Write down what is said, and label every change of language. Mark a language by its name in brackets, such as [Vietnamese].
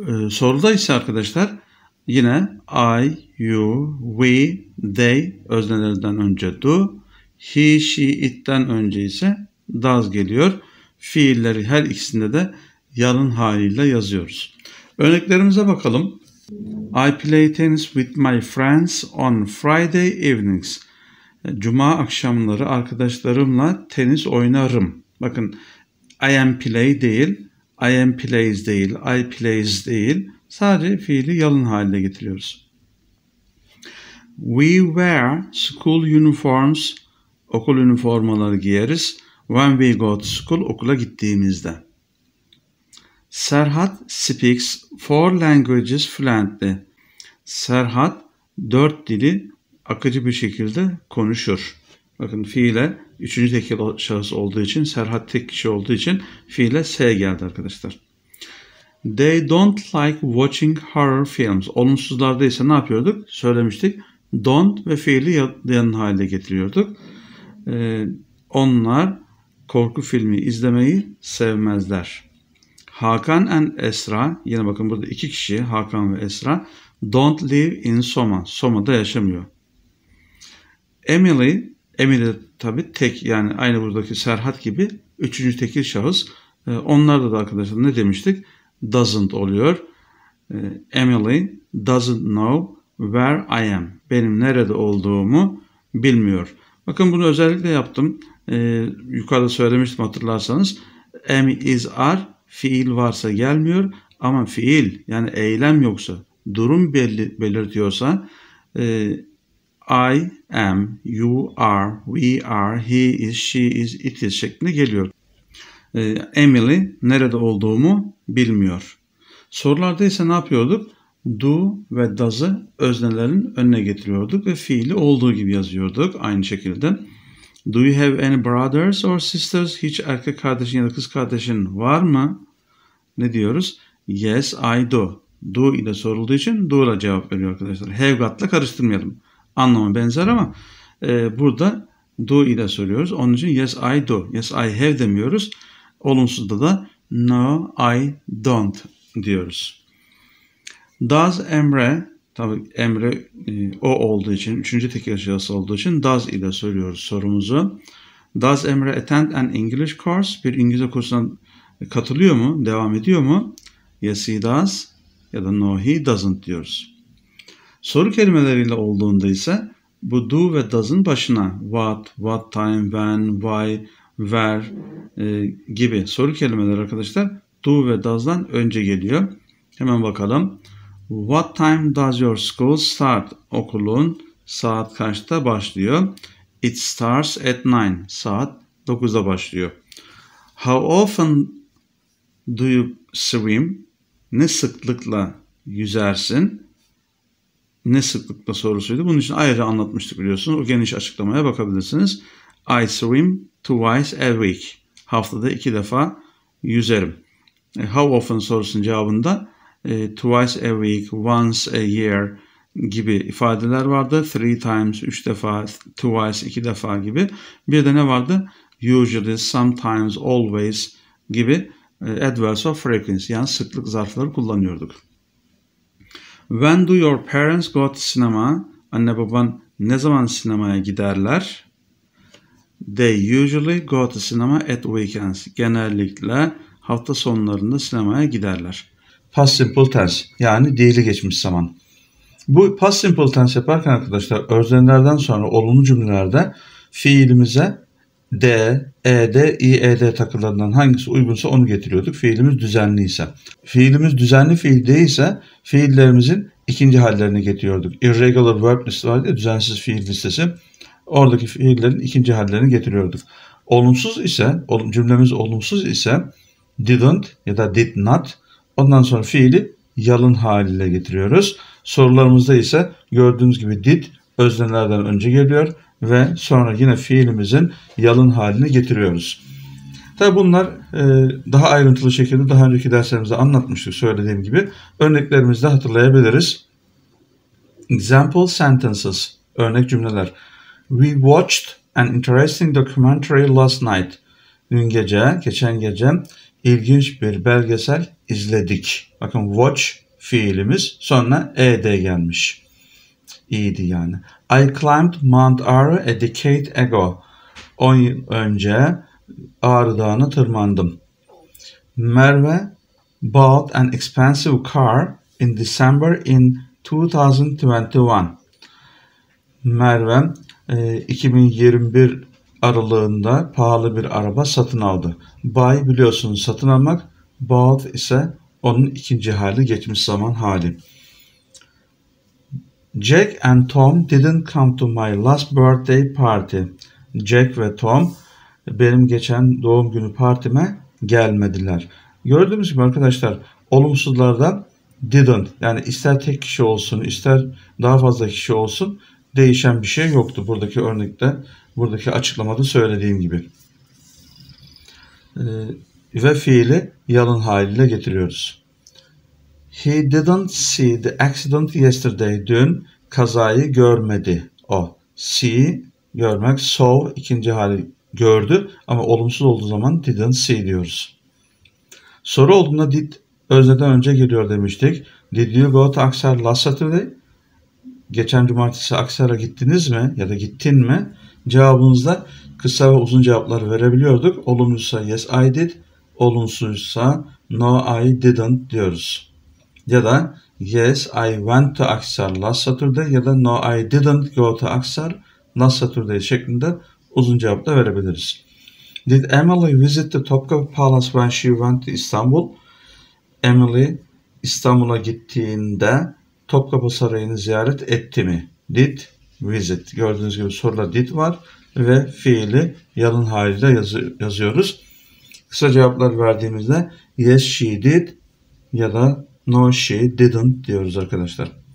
[Turkish] Soruda ise arkadaşlar yine I, you, we, they öznelerden önce do, he, she, it'ten önce ise does geliyor. Fiilleri her ikisinde de yalın haliyle yazıyoruz. Örneklerimize bakalım. [English] I play tennis with my friends on Friday evenings. [Turkish] Cuma akşamları arkadaşlarımla tenis oynarım. Bakın I am play değil, I am plays değil, I plays değil. Sadece fiili yalın haline getiriyoruz. [English] We wear school uniforms, [Turkish] okul üniformaları giyeriz. [English] When we go to school, [Turkish] okula gittiğimizde. [English] Serhat speaks four languages fluently. [Turkish] Serhat dört dili akıcı bir şekilde konuşur. Bakın fiile üçüncü tekil şahıs olduğu için, Serhat tek kişi olduğu için fiile S geldi arkadaşlar. [English] They don't like watching horror films. [Turkish] Olumsuzlarda ise ne yapıyorduk? Söylemiştik. Don't ve fiili yanın haline getiriyorduk. Onlar korku filmi izlemeyi sevmezler. Hakan and Esra, yine bakın burada iki kişi, Hakan ve Esra, [English] don't live in Soma. [Turkish] Soma'da yaşamıyor. Emily tabii tek, yani aynı buradaki Serhat gibi üçüncü tekil şahıs. Onlarda da arkadaşlar ne demiştik? Doesn't oluyor. [English] Emily doesn't know where I am. [Turkish] Benim nerede olduğumu bilmiyor. Bakın bunu özellikle yaptım. Yukarıda söylemiştim hatırlarsanız. Am, is, are. Fiil varsa gelmiyor ama fiil yani eylem yoksa, durum belirtiyorsa [English] I am, you are, we are, he is, she is, it is [Turkish] şeklinde geliyor. Emily nerede olduğumu bilmiyor. Sorularda ise ne yapıyorduk? Do ve does'ı öznelerin önüne getiriyorduk ve fiili olduğu gibi yazıyorduk aynı şekilde. [English] Do you have any brothers or sisters? [Turkish] Hiç erkek kardeşin ya da kız kardeşin var mı? Ne diyoruz? [English] Yes, I do. [Turkish] Do ile sorulduğu için do ile cevap veriyor arkadaşlar. Have got ile karıştırmayalım. Anlamı benzer ama burada do ile soruyoruz. Onun için [English] yes, I do. Yes, I have [Turkish] demiyoruz. Olumsuzda da [English] no, I don't [Turkish] diyoruz. Does Emre, tabii Emre o olduğu için, üçüncü tekil şahıs olduğu için does ile soruyoruz sorumuzu. [English] Does Emre attend an English course? [Turkish] Bir İngilizce kursuna katılıyor mu? Devam ediyor mu? [English] Yes, he does. [Turkish] Ya da [English] no, he doesn't [Turkish] diyoruz. Soru kelimeleriyle olduğunda ise bu do ve does'ın başına what, what time, when, why, where gibi soru kelimeler arkadaşlar do ve does'dan önce geliyor. Hemen bakalım. [English] What time does your school start? [Turkish] Okulun saat kaçta başlıyor? [English] It starts at 9. [Turkish] Saat 9'da başlıyor. [English] How often do you swim? [Turkish] Ne sıklıkla yüzersin? Ne sıklıkla sorusuydu. Bunun için ayrı anlatmıştık biliyorsunuz. O geniş açıklamaya bakabilirsiniz. [English] I swim twice a week. [Turkish] Haftada iki defa yüzerim. How often sorusunun cevabında [English] twice a week, once a year [Turkish] gibi ifadeler vardı. Three times, üç defa, twice, iki defa gibi. Bir de ne vardı? Usually, sometimes, always gibi adverbs of frequency yani sıklık zarfları kullanıyorduk. [English] When do your parents go to cinema? [Turkish] Anne baban ne zaman sinemaya giderler? [English] They usually go to cinema at weekends. [Turkish] Genellikle hafta sonlarında sinemaya giderler. Past simple tense yani dili geçmiş zaman. Bu past simple tense yaparken arkadaşlar özlemlerden sonra olumlu cümlelerde fiilimize D, ED, IED takılarından hangisi uygunsa onu getiriyorduk. Fiilimiz düzenliyse. Fiilimiz düzenli fiil değilse fiillerimizin ikinci hallerini getiriyorduk. Irregular verb list var ya düzensiz fiil listesi. Oradaki fiillerin ikinci hallerini getiriyorduk. Olumsuz ise, cümlemiz olumsuz ise didn't ya da did not. Ondan sonra fiili yalın haliyle getiriyoruz. Sorularımızda ise gördüğünüz gibi did öznelerden önce geliyor. Ve sonra yine fiilimizin yalın halini getiriyoruz. Tabi bunlar daha ayrıntılı şekilde daha önceki derslerimizde anlatmıştık söylediğim gibi. Örneklerimizde hatırlayabiliriz. [English] Example sentences. [Turkish] Örnek cümleler. [English] We watched an interesting documentary last night. [Turkish] Dün gece, geçen gece ilginç bir belgesel izledik. Bakın watch fiilimiz sonra ed gelmiş. İyiydi yani. [English] I climbed Mount Aru a decade ago. [Turkish] 10 yıl önce Aru Dağı'na tırmandım. [English] Merve bought an expensive car in December in 2021. [Turkish] Merve 2021 aralığında pahalı bir araba satın aldı. Buy biliyorsunuz satın almak. Bought ise onun ikinci hali geçmiş zaman hali. [English] Jack and Tom didn't come to my last birthday party. [Turkish] Jack ve Tom benim geçen doğum günü partime gelmediler. Gördüğünüz gibi arkadaşlar olumsuzlarda didn't yani ister tek kişi olsun ister daha fazla kişi olsun değişen bir şey yoktu. Buradaki örnekte buradaki açıklamada söylediğim gibi. Ve fiili yalın haliyle getiriyoruz. [English] He didn't see the accident yesterday. [Turkish] Dün kazayı görmedi o. See, görmek. Saw, ikinci hali gördü. Ama olumsuz olduğu zaman didn't see diyoruz. Soru olduğunda did özneden önce geliyor demiştik. [English] Did you go to Aksar last Saturday? [Turkish] Geçen cumartesi Aksar'a gittiniz mi? Ya da gittin mi? Cevabımızda kısa ve uzun cevaplar verebiliyorduk. Olumluysa [English] yes I did. [Turkish] Olumsuzsa [English] no I didn't [Turkish] diyoruz. Ya da [English] yes I went to Aksar last Saturday [Turkish] ya da [English] no I didn't go to Aksar last Saturday [Turkish] şeklinde uzun cevap da verebiliriz. [English] Did Emily visit the Topkapı Palace when she went to Istanbul? [Turkish] Emily İstanbul'a gittiğinde Topkapı Sarayı'nı ziyaret etti mi? Did visit. Gördüğünüz gibi soruda did var ve fiili yalın halinde yazıyoruz. Kısa cevaplar verdiğimizde [English] yes she did [Turkish] ya da [English] no she didn't [Turkish] diyoruz arkadaşlar.